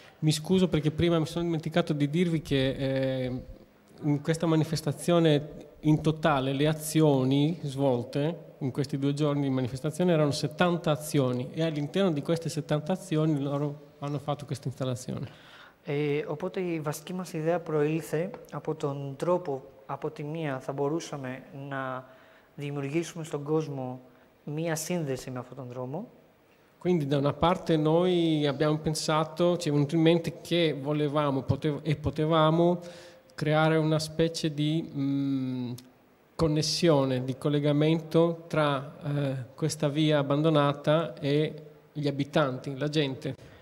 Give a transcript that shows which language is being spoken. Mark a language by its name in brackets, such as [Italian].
[Italian] Mi scuso perché prima mi sono dimenticato di dirvi che in questa manifestazione in totale le azioni svolte in questi due giorni di manifestazione erano 70 azioni e all'interno di queste 70 azioni loro hanno fatto questa installazione. [Greek] Οπότε η βασική μας ιδέα προήλθε από τον τρόπο, από τη μία θα μπορούσαμε να δημιουργήσουμε στον κόσμο μία σύνδεση με αυτόν τον δρόμο. [Italian] Quindi da una parte noi abbiamo pensato, ci è venuto in mente che volevamo e potevamo creare una specie di connessione, di collegamento tra questa via abbandonata e gli abitanti, la gente.